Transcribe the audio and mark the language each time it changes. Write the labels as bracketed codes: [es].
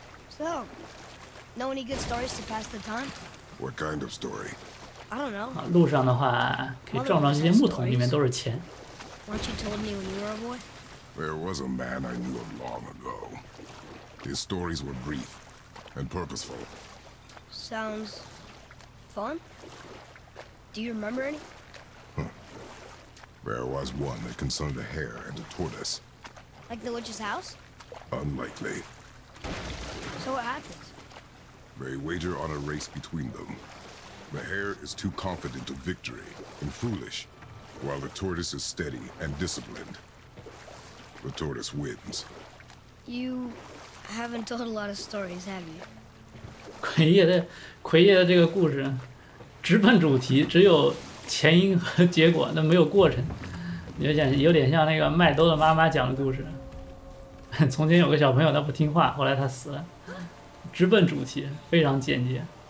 [en] So, know any good stories to pass the time? What kind of story? I don't know. [zh] 啊，路上的话可以撞撞这些木桶，里面都是钱。 [en] Weren't you told me when you were a boy? There was a man I knew of long ago. His stories were brief and purposeful. Sounds fun? Do you remember any? There was one that concerned a hare and a tortoise. Like the witch's house? Unlikely. So what happens? They wager on a race between them. The hare is too confident of victory and foolish, while the tortoise is steady and disciplined. The tortoise wins. You... I haven't told a lot of stories, have you? [zh] 奎爷的这个故事，直奔主题，只有前因和结果，那没有过程，有点像那个麦兜的妈妈讲的故事。从前有个小朋友，他不听话，后来他死了。直奔主题，非常简洁。